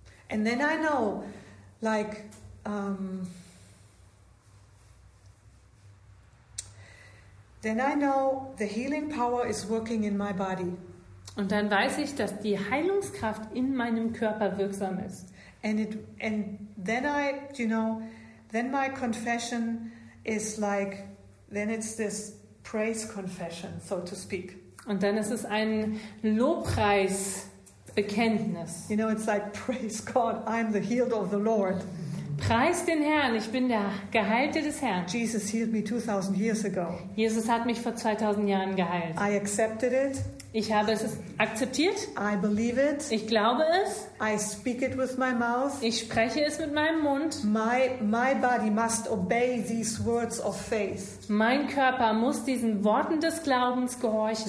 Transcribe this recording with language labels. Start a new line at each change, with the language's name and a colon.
English: And then I know, like, then I know the healing power is working in my body.
German: Und dann weiß ich, dass die Heilungskraft in meinem Körper wirksam ist.
English: Then my confession is like, then it's this praise confession, so to speak.
German: Und dann ist es ein Lobpreisbekenntnis.
English: You know, it's like, praise God, I'm the healed of the Lord.
German: Preis den Herrn, ich bin der Geheilte des Herrn.
English: Jesus healed me 2000 years ago.
German: Jesus hat mich vor 2000 Jahren geheilt.
English: I accepted it.
German: Ich habe es akzeptiert.
English: I believe it.
German: Ich glaube es.
English: I speak it with my mouth.
German: Ich spreche es mit meinem Mund.
English: My body must obey these words of faith.
German: Mein Körper muss diesen Worten des Glaubens gehorchen.